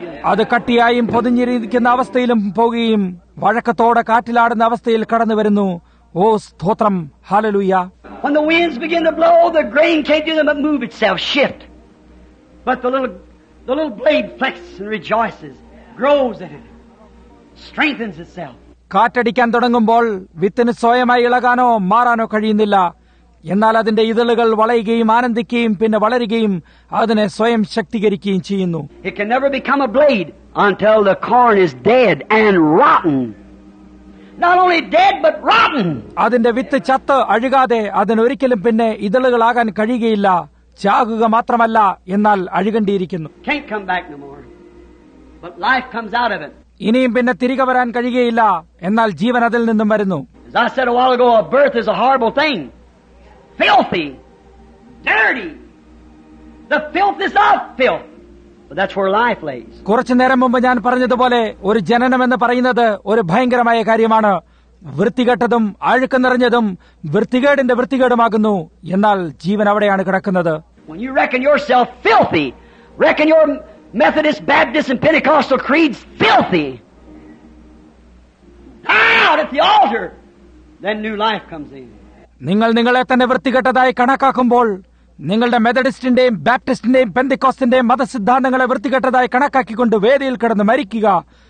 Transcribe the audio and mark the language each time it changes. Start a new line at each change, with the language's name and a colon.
Malayalam: അത് കട്ടിയായും പൊതിഞ്ഞിരിക്കുന്ന അവസ്ഥയിലും പോകുകയും വഴക്കത്തോടെ കാറ്റിലാടുന്ന അവസ്ഥയിൽ കടന്നു വരുന്നു. ഓ സ്തോത്രം, hallelujah.
English: When the winds begin to blow, the grain can't do them but move itself, shift. But the little blade flexes and rejoices, grows in it, strengthens itself.
Malayalam: കാറ്റടിക്കാൻ തുടങ്ങുമ്പോൾ വിത്തിന് സ്വയമായി ഇളകാനോ മാറാനോ കഴിയുന്നില്ല. എന്നാൽ അതിന്റെ ഇതളുകൾ വളയുകയും ആനന്ദിക്കുകയും പിന്നെ വളരുകയും അതിനെ സ്വയം ശക്തീകരിക്കുകയും ചെയ്യുന്നു.
English: It can never become a blade until the corn is dead and rotten. Not only dead but rotten.
Malayalam: അതിന്റെ വിത്ത് ചത്ത് അഴുകാതെ അതിനൊരിക്കലും പിന്നെ ഇതളുകളാകാൻ കഴിയുകയില്ല. ചാകുക മാത്രമല്ല, എന്നാൽ അഴുകണ്ടിയിരിക്കുന്നു.
English: Can't come back no more. But life comes out of it.
Malayalam: ഇനിയും പിന്നെ തിരികെ വരാൻ കഴിയുകയില്ല, എന്നാൽ ജീവൻ അതിൽ നിന്നും വരുന്നു.
English: As I said a while ago, a birth is a horrible thing. Filthy, dirty. The filth is of filth. But that's where life lays.
Malayalam: കുറച്ചു നേരം മുമ്പ് ഞാൻ പറഞ്ഞതുപോലെ ഒരു ജനനം എന്ന് പറയുന്നത് ഒരു ഭയങ്കരമായ കാര്യമാണ്. വൃത്തികെട്ടതും അഴുക്ക് നിറഞ്ഞതും വൃത്തികേടിന്റെ വൃത്തികേടുമാകുന്നു. എന്നാൽ ജീവൻ അവിടെയാണ് കിടക്കുന്നത്.
English: When you reckon yourself filthy, reckon your Methodist, Baptist and Pentecostal creeds filthy, out at the altar, then new life comes in.
Malayalam: നിങ്ങൾ നിങ്ങളെ തന്നെ വൃത്തികെട്ടതായി കണക്കാക്കുമ്പോൾ, നിങ്ങളുടെ മെതഡിസ്റ്റിന്റെയും ബാപ്റ്റിസ്റ്റിന്റെയും പെന്തക്കോസ്റ്റിന്റെയും മതസിദ്ധാന്തങ്ങളെ വൃത്തികെട്ടതായി കണക്കാക്കിക്കൊണ്ട് വേദിയിൽ കിടന്ന് മരിക്കുക.